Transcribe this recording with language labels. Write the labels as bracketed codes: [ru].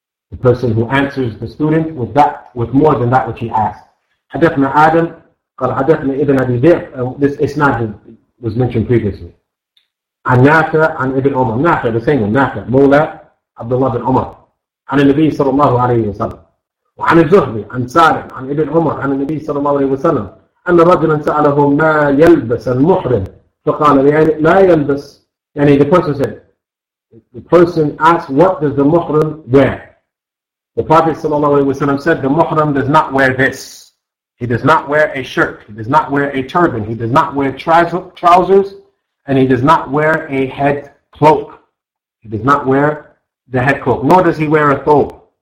[en] The person who answers the student with more than that which he asked. [ar] حدثنا آدم قال حدثنا ابن أبي بكر. [en] This isnad was mentioned previously. [ar] عن نافع عن ابن عمر. [en] نافع the same one. [ar] نافع مولى عبد الله بن عمر. عن النبي صلى الله عليه وسلم. وعن الزهري عن سالم عن ابن عمر عن النبي صلى الله عليه وسلم. أن رجلا سأله ما يلبس المحرم فقال يعني لا يلبس يعني [en] the person said the person asked what does the محرم wear. The Prophet صلى الله عليه وسلم said the محرم does not wear this. He does not wear a shirt. He does not wear a turban. He does not wear trousers and he does not wear a head cloak. He does not wear the head cloak. Nor does he wear a thobe.